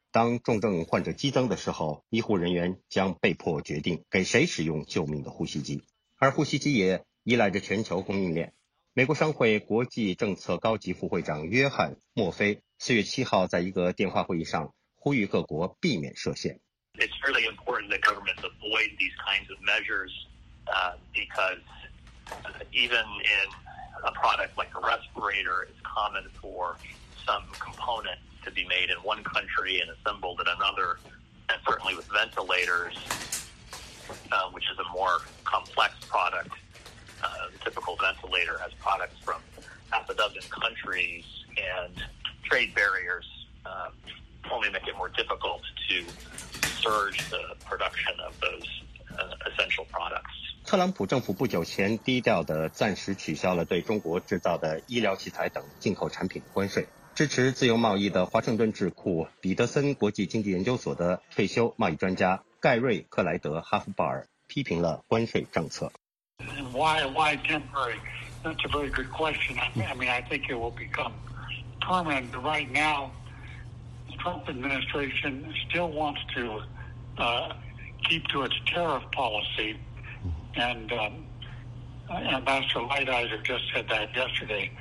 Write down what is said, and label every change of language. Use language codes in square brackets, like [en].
[zh] 当重症患者激增的时候，医护人员将被迫决定给谁使用救命的呼吸机，而呼吸机也依赖着全球供应链。美国商会国际政策高级副会长约翰·墨菲4月7号在一个电话会议上呼吁各国避免设限。 [en] It's really important that governments avoid these kinds of measures, because even in a product like a respirator, it's common for some component. To be made in one country and assembled in another, and certainly with ventilators, which is a more complex product. The typical ventilator has products from half a dozen countries, and trade barriers only make it more difficult to surge the production of those essential products. [zh] 特朗普政府不久前低调地暂时取消了对中国制造的医疗器材等进口产品关税。支持自由贸易的华盛顿智库彼得森国际经济研究所的退休贸易专家盖瑞·克莱德·哈夫鲍尔批评了关税政策。 [en] Why temporary? That's a very good question. I mean, I think it will become permanent. Right now, the Trump administration still wants to keep to its tariff policy. And Ambassador Lighthizer just said that yesterday.